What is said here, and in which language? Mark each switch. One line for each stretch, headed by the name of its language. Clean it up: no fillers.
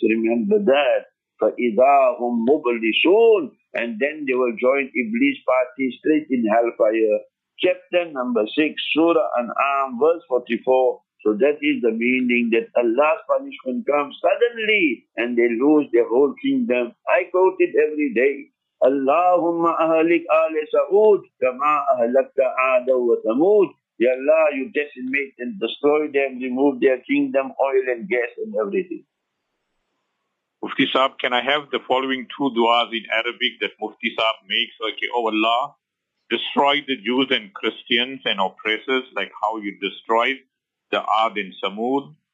English: Remember that.
Arabic: فَإِذَا هُمْ مُبْلِسُونَ.
English: And then they will join Iblis party straight in hellfire. Chapter number 6, Surah An'am, verse 44. So that is the meaning that Allah's punishment comes suddenly and they lose their whole kingdom. I quote it every day.
Arabic: اللهم أهلك آل سعود كما أهلكت عاد وثمود.
English: Ya Allah, you decimate and destroy them, remove their kingdom, oil and gas and everything. Mufti Saab, can I have the following two du'as in Arabic that Mufti Saab makes? Okay, oh Allah, destroy the Jews and Christians and oppressors like how you destroyed the Aad and Samud.